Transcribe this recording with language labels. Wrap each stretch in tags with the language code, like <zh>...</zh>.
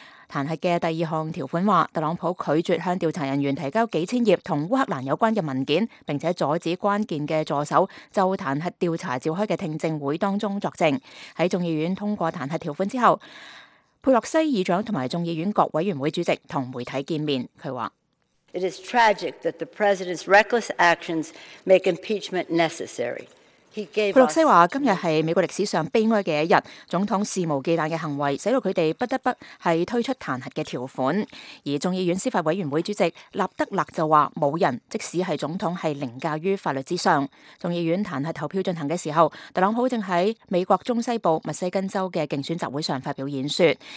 <zh>弹劾的第二项条款说，特朗普拒绝向调查人员提交几千页与乌克兰有关的文件，并且阻止关键的助手就弹劾调查召开的听证会当中作证。在众议院通过弹劾条款之后，佩洛西议长和众议院各委员会主席同媒体见面，他说</zh> <en>：It is tragic that the president's reckless actions make impeachment necessary.</en> <zh>佩洛西说，今天是美国历史上悲哀的一日，总统肆无忌惮的行为使他们不得不推出弹劾的条款。而众议院司法委员会主席纳德勒就说，没有人即使是总统是凌驾于法律之上。众议院弹劾投票进行的时候，特朗普正在美国中西部密西根州的竞选集会上发表演说。</zh>